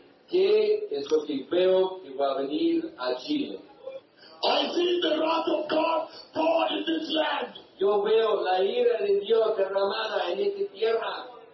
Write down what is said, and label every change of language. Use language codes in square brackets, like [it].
[es] ¿Qué es lo que veo que va a venir a Chile? [en] I see the wrath of God poured in this land. [es] Yo veo la ira de Dios derramada en esta tierra.